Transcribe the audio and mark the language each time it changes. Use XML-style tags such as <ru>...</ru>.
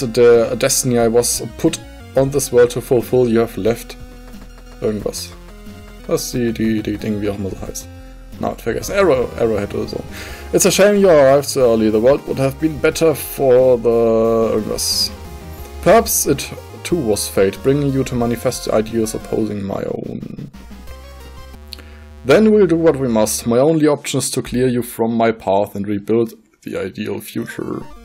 <en>The destiny I was put on this world to fulfill, you have left.</en> <de>Irgendwas. Das ist die Ding, wie auch immer so heißt. Not vergessen.</de> <en>Arrowhead</en> <de>oder so.</de> <en>It's a shame you arrived so early. The world would have been better for the...</en> <de>Irgendwas.</de> <en>Perhaps it too was fate, bringing you to manifest ideas opposing my own. Then we'll do what we must. My only option is to clear you from my path and rebuild the ideal future.</en>